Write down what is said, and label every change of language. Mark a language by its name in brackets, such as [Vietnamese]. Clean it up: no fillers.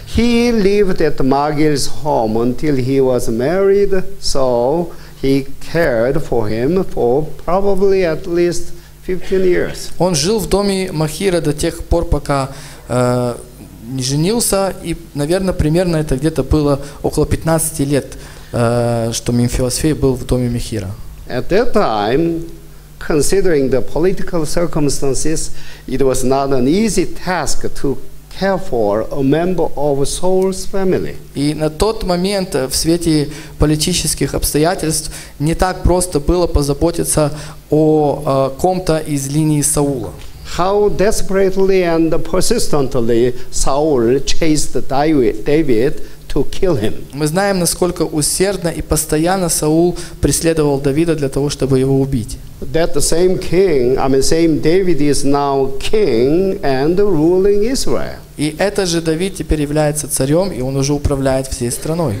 [English] He lived at Magil's home until he was married, so he cared for him for probably at least 15 years. [Russian] Он жил в доме Махира до тех пор, пока не женился, и, наверное, примерно это где-то было около 15 лет, что Мемфисфей был в доме Махира. [English] At that time, considering the political circumstances, it was not an easy task to care for a member of Saul's family. [Russian] И на тот момент в свете политических обстоятельств не так просто было позаботиться о ком-то из линии Саула. [English] How desperately and persistently Saul chased David to kill him. [Russian] Мы знаем, насколько усердно и постоянно Саул преследовал Давида для того, чтобы его убить. [English] That the same king, I mean same David, is now king and ruling Israel. [Russian] И этот же Давид теперь является царем, и он уже управляет всей страной.